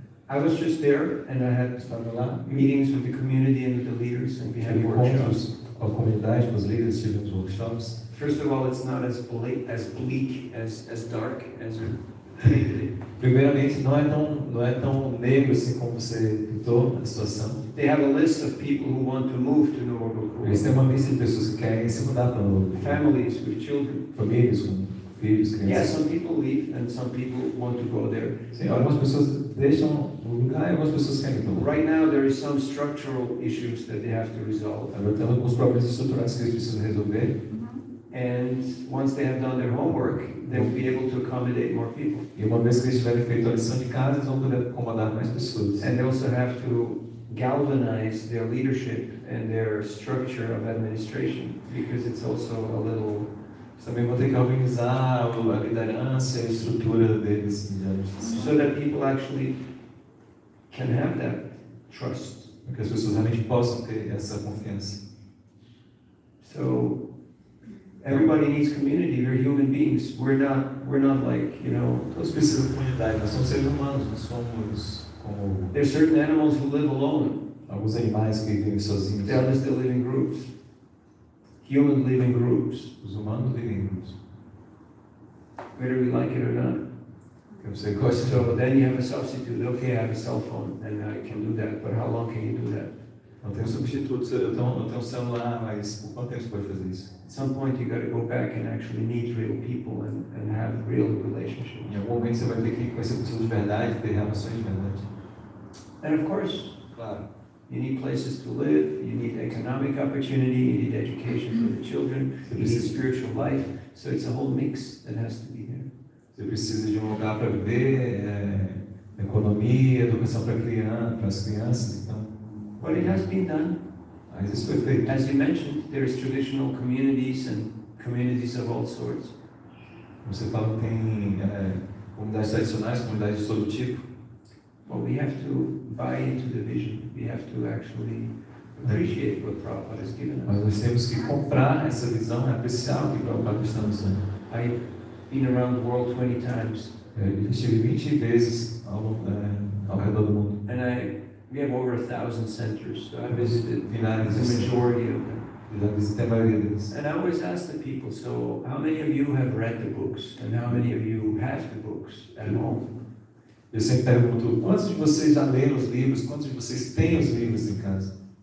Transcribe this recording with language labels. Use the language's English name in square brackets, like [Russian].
[English] I was just there and I had meetings with the community and with the leaders and we had workshops. [Portuguese] Com a comunidade, com os líderes, tivemos workshops. [English] First of all, it's not as bleak, as dark as it. [Portuguese] Primeiramente, não é tão negro assim como você pintou a situação. [English] They have a list of people who want to move to Novogrodok. [Portuguese] Eles têm uma lista de pessoas que querem se mudar para Novogrodok. [English] Families with children. [Portuguese] Famílias com filhos, crianças. [English] Yeah, some people leave and some people want to go there. [Portuguese] Sim, algumas pessoas deixam o lugar e algumas pessoas querem ir. [English] Right now there is some structural issues that they have to resolve. [Portuguese] Agora tem alguns problemas estruturais que eles precisam resolver. [English] And once they have done their homework, they will be able to accommodate more people. [Portuguese] E uma vez que eles tiverem feito a lição de casa, eles vão poder acomodar mais pessoas. [English] And they also have to galvanize their leadership and their structure of administration, because it's also a little. [Portuguese] Também vão ter que organizar a liderança, a estrutura deles. [English] So that people actually can have that trust. [Portuguese] Porque as pessoas realmente possam ter essa confiança. [English] So. Everybody needs community. We're human beings. We're not like, you know. [Portuguese] Todos precisam de comunidade. Nós somos seres humanos. Nós somos como. [English] There are certain animals who live alone. [Portuguese] Alguns animais que vivem sozinhos. [English] They are still living groups. Human living groups. [Portuguese] Os humanos vivem groups. [English] Whether we like it or not. [Portuguese] Quer dizer, coisa. [English] So then you have a substitute. Okay, I have a cell phone and I can do that. But how long can you do that? [Portuguese] Não tenho substituto, eu tenho um celular, mas por quanto tempo você pode fazer isso? [English] At some point you got to go back and actually meet real people and have real relationships. [Portuguese] Em algum momento você vai ter que conhecer pessoas de verdade, ter relações de verdade. [English] And of course, [Portuguese] claro, [English] you need places to live, you need economic opportunity, you need education for the children, you need spiritual life, so it's a whole mix that has to be here. [Portuguese] Você precisa de um lugar para viver, economia, educação para as crianças, então. [English] But it has been done. [Portuguese] Isso foi feito. [English] As you mentioned, there is traditional communities and communities of all sorts. [Portuguese] Você fala que tem comunidades tradicionais, comunidades de todo tipo. [English] But we have to buy into the vision. We have to actually appreciate what Prabhupada has given us. [Portuguese] Mas nós temos que comprar essa visão, apreciar o que Prabhupada está nos dando. [English] I've been around the world 20 times. [Portuguese] Eu estive 20 vezes ao redor do mundo. [English] And we have over 1,000 centers, so I visited the majority of them. And I always ask the people, so how many of you have read the books, and how many of you have the books at home? [Portuguese] Eu sempre pergunto, quantos de vocês já leram os livros, quantos de vocês têm os livros em casa?